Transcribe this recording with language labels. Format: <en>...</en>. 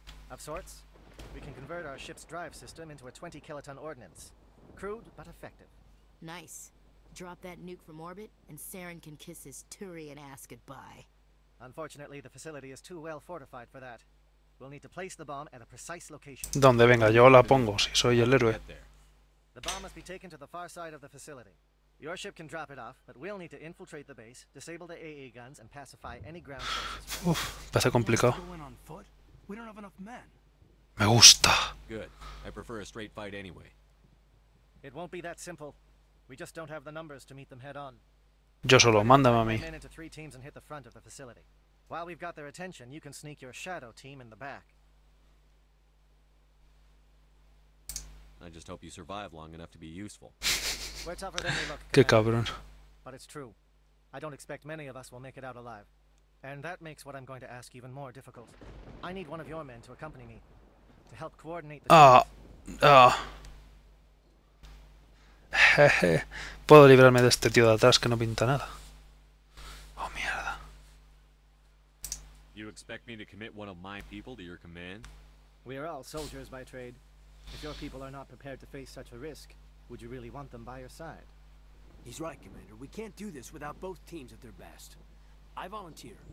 <en>Of sorts. We can convert our ship's drive system into a 20 kiloton ordnance. Crude, but effective. Nice. Drop that nuke from orbit, and Saren can kiss his Turian ass goodbye. Unfortunately, the facility is too well fortified for that. We'll need to place the bomb at a precise location.</en> <es>Donde venga, yo la pongo, si soy el héroe.</es> <en>The bomb must be taken to the far side of the facility. Your ship can drop it off, but we'll need to infiltrate the base, disable the AA guns, and pacify any ground forces.</en> <es>Uf, va a ser complicado.</es> <en>We don't have enough men.</en> <es>Me gusta.</es> <en>Good. I prefer a straight fight anyway. It won't be that simple. We just don't have the numbers to meet them head on.</en> <es>Yo solo, mándame a mí.</es> <en>Men into three teams and hit the front of the facility. While we've got their attention, you can sneak your shadow team in the back. I just hope you survive long enough to be useful. We're tougher than we look.</en> <es>Qué cabrón.</es> <en>But it's true. I don't expect many of us will make it out alive. And that makes what I'm going to ask even more difficult. I need one of your men to accompany me. To help coordinate the...</en> <es>Puedo librarme de este tío de atrás que no pinta nada. Oh, mierda.</es> <en>You expect me to commit one of my people to your command? We are all soldiers by trade. If your people are not prepared to face such a risk, would you really want them by your side? He's right, Commander. We can't do this without both teams at their best. I volunteer.</en>